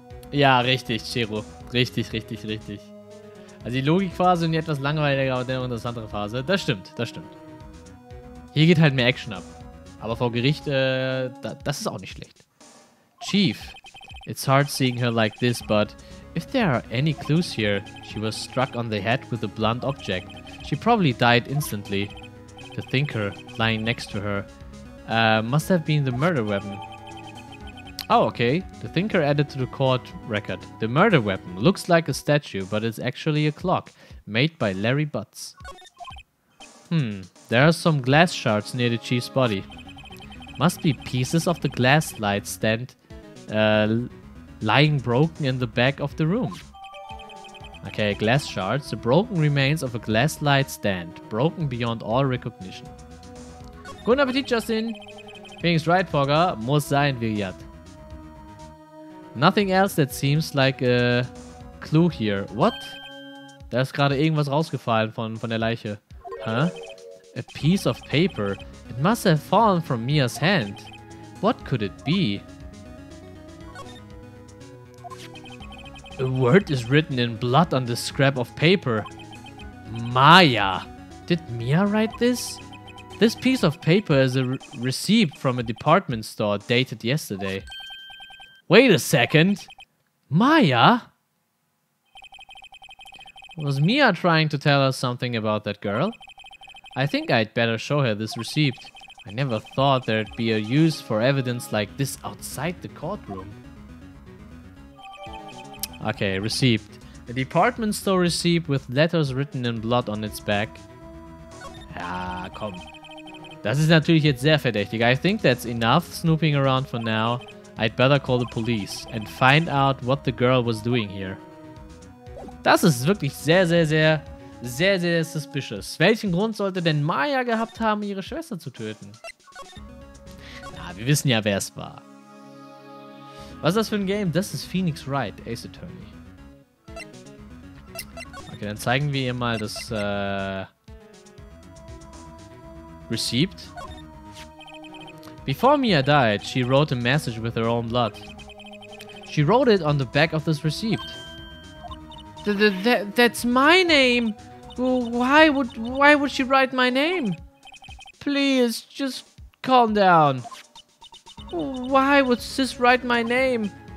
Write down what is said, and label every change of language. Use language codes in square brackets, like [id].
[de] Ja, richtig, Chero. Richtig, richtig, richtig. Also die Logikphase und die etwas langweiliger, aber dennoch interessantere Phase. Das stimmt, das stimmt. Hier geht halt mehr Action ab. Aber vor Gericht, das ist auch nicht schlecht. [en] Chief, it's hard seeing her like this, but if there are any clues here, she was struck on the head with a blunt object. She probably died instantly. The thinker, lying next to her, must have been the murder weapon. Oh, okay. The thinker added to the court record. The murder weapon looks like a statue, but it's actually a clock, made by Larry Butts. Hmm, there are some glass shards near the chief's body. Must be pieces of the glass light stand lying broken in the back of the room. Okay, glass shards. The broken remains of a glass light stand, broken beyond all recognition. [de] Guten Appetit, Justin! [en] Things right, Fogger. [de] Muss sein, Viljat. [en] Nothing else that seems like a clue here. What? [de] Da ist gerade irgendwas rausgefallen von der Leiche. [en] Huh? A piece of paper. It must have fallen from Mia's hand. What could it be? A word is written in blood on the scrap of paper. Maya! Did Mia write this? This piece of paper is a receipt from a department store dated yesterday. Wait a second! Maya? Was Mia trying to tell us something about that girl? I think I'd better show her this receipt. I never thought there'd be a use for evidence like this outside the courtroom. Okay, receipt. A department store receipt with letters written in blood on its back. [de] Ja, komm. Das ist natürlich jetzt sehr verdächtig. [en] I think that's enough snooping around for now. I'd better call the police and find out what the girl was doing here. [de] Das ist wirklich sehr, sehr, sehr, sehr, sehr, sehr suspicious. Welchen Grund sollte denn Maya gehabt haben, ihre Schwester zu töten? Na, wir wissen ja, wer es war. Was ist das für ein Game? Das ist Phoenix Wright, Ace Attorney. Okay, dann zeigen wir ihr mal das, Received. [en] Before Mia died, she wrote a message with her own blood. She wrote it on the back of this receipt. That's my name! Why would she write my name? Please, just calm down. Why would sis write my name?